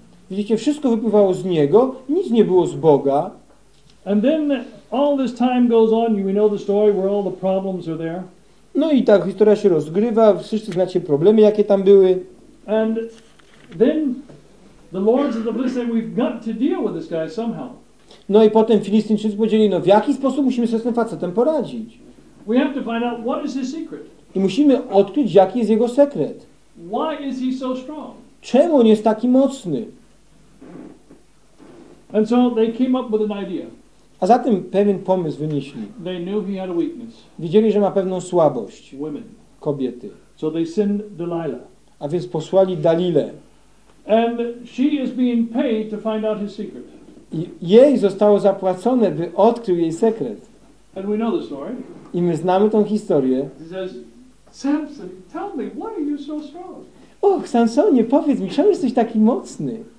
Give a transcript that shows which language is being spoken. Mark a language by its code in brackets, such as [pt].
[pl] Widzicie, wszystko wypływało z niego, nic nie było z Boga. [en] And then all this time goes on, you know the story where all the problems are there. [pl] No i ta historia się rozgrywa, wszyscy znacie problemy, jakie tam były. [en] And then the lords of the Philistines say, we've got to deal with this guy somehow. [pl] No i potem Filistynczycy powiedzieli, no w jaki sposób musimy sobie z tym facetem poradzić? [en] We have to find out what is his secret. [pl] I musimy odkryć, jaki jest jego sekret. [en] Why is he so strong? [pl] czemu on jest taki mocny? [en] And so they came up with an idea. [pl] A zatem pewien pomysł wynieśli. [en] They knew he had a weakness. [pl] Widzieli, że ma pewną słabość. [en] Women. [pl] Kobiety. [en] So they send Delilah. [pl] A więc posłali Dalilę. [en] And she is being paid to find out his secret. [pl] I jej zostało zapłacone, by odkrył jej sekret. [en] And we know the story. [pl] I my znamy tą historię. [en] He says, Samson, tell me, why are you so strong? [pl] Och, Samsonie, powiedz mi, czemu jesteś taki mocny?